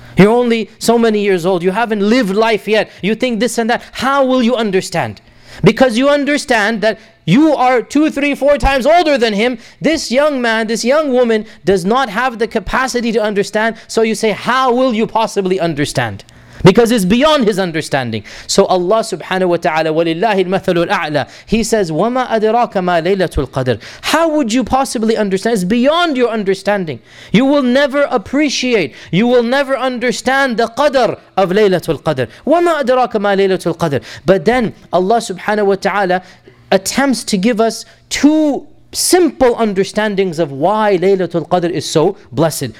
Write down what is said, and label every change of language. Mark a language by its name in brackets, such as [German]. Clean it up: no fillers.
[English] You're only so many years old, you haven't lived life yet, you think this and that, how will you understand? Because you understand that you are 2, 3, 4 times older than him, this young man, this young woman does not have the capacity to understand, so you say, how will you possibly understand? Because it's beyond his understanding. So Allah subhanahu wa ta'ala, [Arabic] وَلِلَّهِ الْمَثَلُ الْأَعْلَى, [English] He says, [Arabic] وَمَا أَدْرَاكَ مَا لَيْلَةُ الْقَدْرِ. [English] How would you possibly understand? It's beyond your understanding. You will never appreciate, you will never understand the qadr of Laylatul Qadr. [Arabic] وَمَا أَدْرَاكَ مَا لَيْلَةُ الْقَدْرِ. [English] But then Allah subhanahu wa ta'ala attempts to give us two simple understandings of why Laylatul Qadr is so blessed.